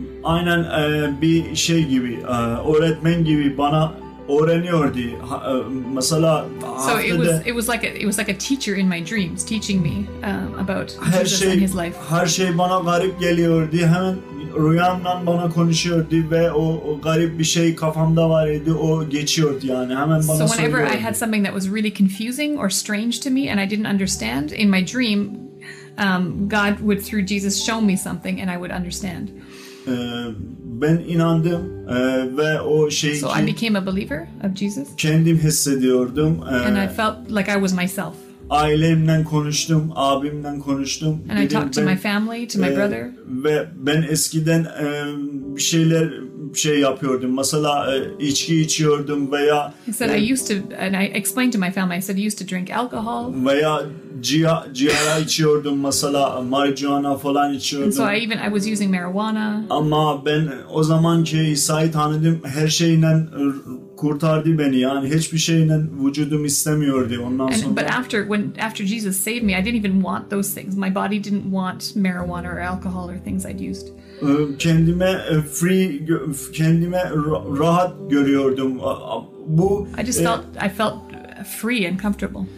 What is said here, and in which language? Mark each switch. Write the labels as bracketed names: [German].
[Turkish] Aynen bir şey gibi, öğretmen gibi bana öğreniyordu. Mesela [English] so it was like a teacher in my dreams teaching me about her Jesus [Turkish] şey, [English] and his life. [Turkish] Her şey bana garip geliyordu. Hemen rüyamdan bana konuşuyordu ve o garip bir şey kafamda var idi. O geçiyordu yani. Hemen bana söylüyordu. [English] So whenever I had something that was really confusing or strange to me and I didn't understand in my dream, God would through Jesus show me something and I would understand. [Turkish] Ben inandım ve o şey [English] so [Turkish] ki, [English] I became a believer of Jesus. [Turkish] Kendim hissediyordum. [English] And I felt like I was myself. [Turkish] Ailemle konuştum, abimle konuştum. [English] And [Turkish] dedim, [English] I talked to my family, to my brother. [Turkish] Ve ben eskiden bir şeyler şey yapıyordum. Mesela içki içiyordum veya [English] he said I used to and I explained to my family. I said I used to drink alcohol. [Turkish] Veya cihara içiyordum, mesela marijuana falan içiyordum. [English] And so I was using marijuana. [Turkish] Ama ben o zaman ki İsa'yı tanıdım, her şeyle kurtardı beni. Yani hiçbir şeyle vücudum istemiyordu ondan [English] and, [Turkish] sonra. [English] But after Jesus saved me, I didn't even want those things. My body didn't want marijuana or alcohol or things I'd used. [Turkish] Kendime rahat görüyordum. Bu [English] I just felt I felt free and comfortable.